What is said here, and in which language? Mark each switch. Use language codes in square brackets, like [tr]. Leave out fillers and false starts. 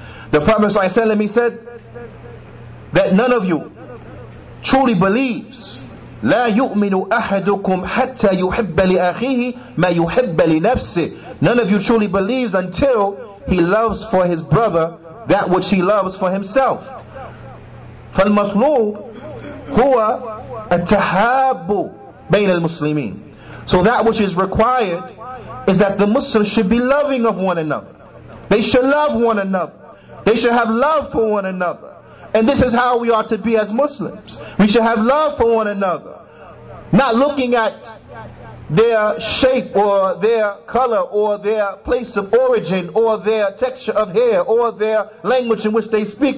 [en] The Prophet صلى الله عليه وسلم, he said, that none of you truly believes, [ar] لا يؤمن أحدكم حتى يحب لأخيه ما يحب لنفسه. [en] None of you truly believes until he loves for his brother that which he loves for himself. [ar] فالمطلوب هو التحاب بين المسلمين. [en] So that which is required is that the Muslims should be loving of one another. They should love one another. They should have love for one another. And this is how we ought to be as Muslims. We should have love for one another. Not looking at their shape or their color or their place of origin or their texture of hair or their language in which they speak.